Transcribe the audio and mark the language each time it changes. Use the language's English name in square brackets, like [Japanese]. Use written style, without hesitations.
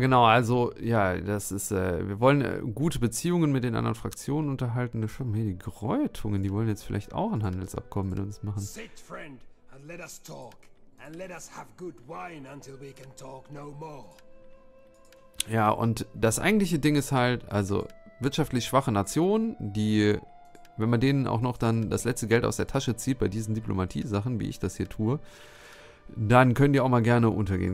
[German] Genau, also ja, das ist wir wollen gute Beziehungen mit den anderen Fraktionen unterhalten. Schau mal, die Gräutungen, die wollen jetzt vielleicht auch ein Handelsabkommen mit uns machen. [English] Sit, friend, and let us talk, and let us have good wine until we can talk no more. [German] Ja, und das eigentliche Ding ist halt, also wirtschaftlich schwache Nationen, die, wenn man denen auch noch dann das letzte Geld aus der Tasche zieht bei diesen Diplomatie-Sachen, wie ich das hier tue, dann können die auch mal gerne untergehen.